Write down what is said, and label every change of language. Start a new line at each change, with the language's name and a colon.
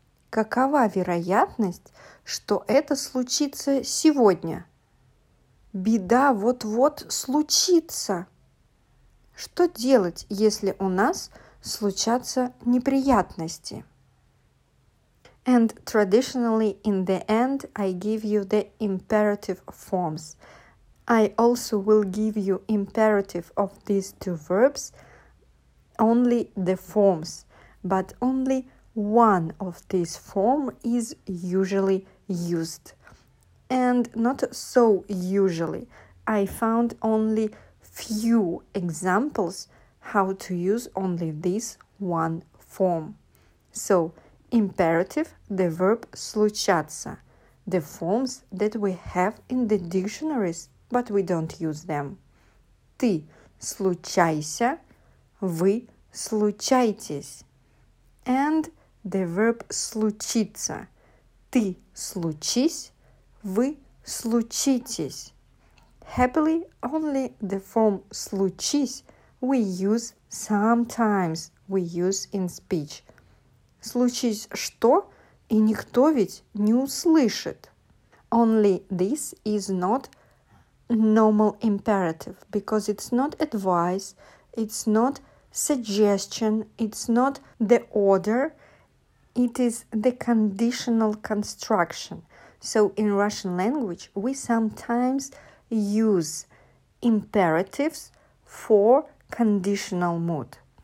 Russian: Какова вероятность, что это случится сегодня? Беда вот-вот случится. Что делать, если у нас случатся неприятности?
English: And traditionally, in the end, I give you the imperative forms. I also will give you imperative of these two verbs, only the forms, but only one of these form is usually used. And not so usually. I found only few examples how to use only this one form. So, imperative, the verb случаться, the forms that we have in the dictionaries, but we don't use them.
Russian: Ты случайся, вы случайтесь.
English: And the verb случиться.
Russian: Ты случись, вы случитесь.
English: Happily, only the form случись we use sometimes, we use in speech.
Russian: Случись что, и никто ведь не услышит.
English: Only this is not normal imperative, because it's not advice, it's not suggestion, it's not the order, it is the conditional construction. So in Russian language, we sometimes use imperatives for conditional mood.